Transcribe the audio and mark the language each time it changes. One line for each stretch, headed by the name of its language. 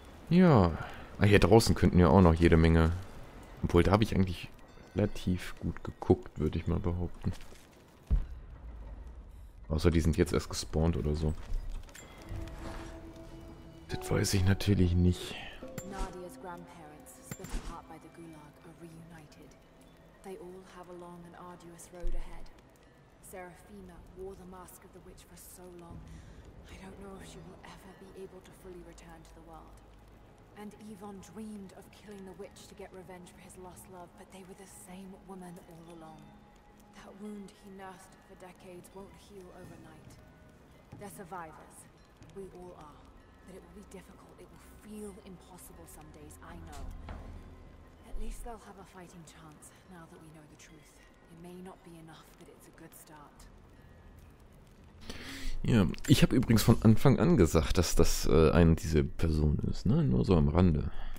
German: Ja, ah, hier draußen könnten ja auch noch jede Menge. Obwohl, da habe ich eigentlich relativ gut geguckt, würde ich mal behaupten. Außer die sind jetzt erst gespawnt oder so. Das weiß ich natürlich nicht.
English: Nadias Grandparents, split apart by the Gulag, are reunited. They all have a long and arduous road ahead. Seraphina wore the mask of the witch for so long. I don't know if she will ever be able to fully return to the world. And Yvonne dreamed of killing the witch to get revenge for his lost love, but they were the same woman all along. That wound he nursed for decades won't heal overnight. They're survivors. We all are. But it will be difficult. It will feel impossible some days, I know. At least they'll have a fighting chance now that we know the truth. It may not be enough, but it's a good start.
German: Ja, ich habe übrigens von Anfang an gesagt, dass das eine dieser Personen ist, ne? Nur so am Rande.